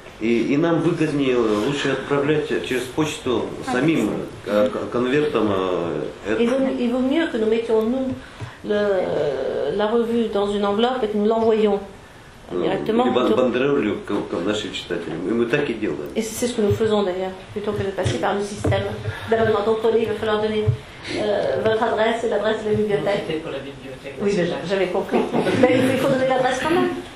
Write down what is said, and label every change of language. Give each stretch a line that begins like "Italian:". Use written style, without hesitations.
Russian: И нам выгоднее лучше отправлять через почту самим конвертом.
French: Il vaut mieux que nous mettions nous la revue dans une enveloppe et que nous l'envoyions directement.
Russian: Бандеролью к нашим читателям. Мы так и делаем.
French: Et c'est ce que nous faisons d'ailleurs, plutôt que de passer par le système d'abonnement. Donc, il va falloir donner votre adresse et l'adresse de la bibliothèque. Oui, déjà, j'avais compris. Mais il faut donner l'adresse quand même.